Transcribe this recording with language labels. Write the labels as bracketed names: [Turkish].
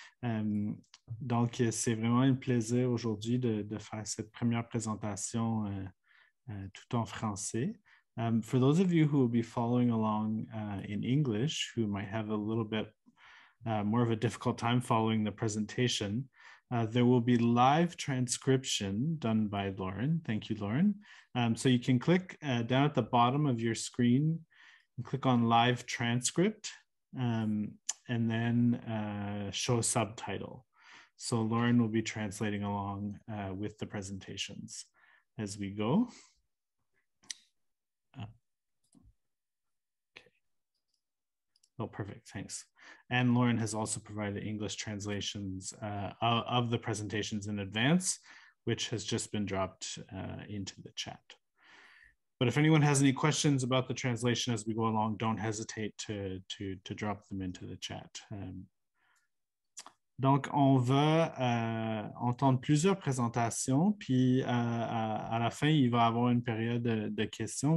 [French] Donc, c'est vraiment un plaisir aujourd'hui de faire cette première présentation tout en français. [English] For those of you who will be following along in English, who might have a little bit more of a difficult time following the presentation, there will be live transcription done by Lauren. Thank you, Lauren. So you can click down at the bottom of your screen and click on live transcript and then show subtitle. So Lauren will be translating along with the presentations as we go. Oh, perfect. Thanks. And Lauren has also provided English translations of the presentations in advance, which has just been dropped into the chat. But if anyone has any questions about the translation as we go along, don't hesitate to drop them into the chat. [French] Donc, on va entendre plusieurs présentations, puis à la fin, il va y avoir une période de questions.